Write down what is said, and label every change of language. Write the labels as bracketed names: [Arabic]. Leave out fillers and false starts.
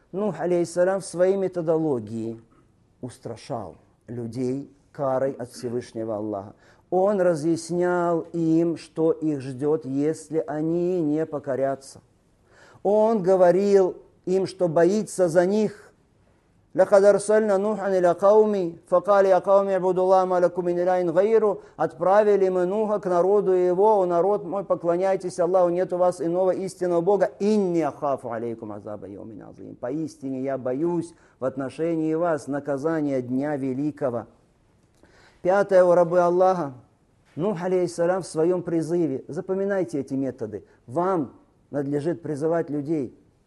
[Russian] Нух, алейхиссалям, в своей методологии устрашал людей карой от Всевышнего Аллаха. Он разъяснял им, что их ждет, если они не покорятся. Он говорил им, что боится за них. [Arabic] لقد أرسلنا نوحا إلى قومي فقال يا قوم اعبدوا الله ما لكم من إله غيره. [Russian] Отправили мы Нуха к народу его, о народ мой, поклоняйтесь Аллаху, нет у вас иного истинного Бога. Инни ахафу алейкум азаба йаумин азим. Поистине я боюсь в отношении вас наказания дня великого. Пятое, у рабы Аллаха, Нух алейхиссалям в своем призыве, запоминайте эти методы, вам надлежит призывать людей.